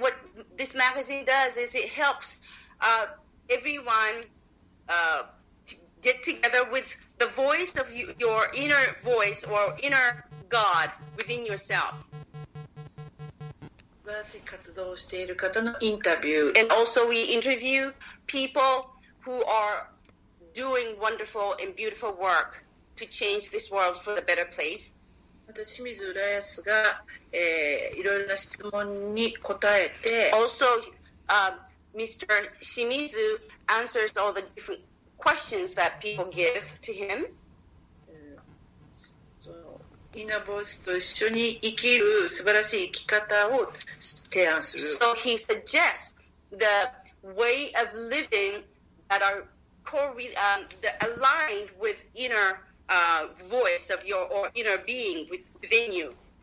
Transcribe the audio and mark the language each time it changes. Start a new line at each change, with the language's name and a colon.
English: What this magazine does is it helps everyone to get together with the voice of your inner voice or inner God within yourself. And also we interview people who are doing wonderful and beautiful work to change this world for a better place.
Japanese: また清水浦安が、いろいろな質問に答えて
English: Also, Mr. 清水 answers all the different questions that people give to him.
Japanese: Inner voice と一緒に生きる素晴らしい生き方を提案する。
English: So he suggests the way of living that are aligned with innervoice of your or inner being within you.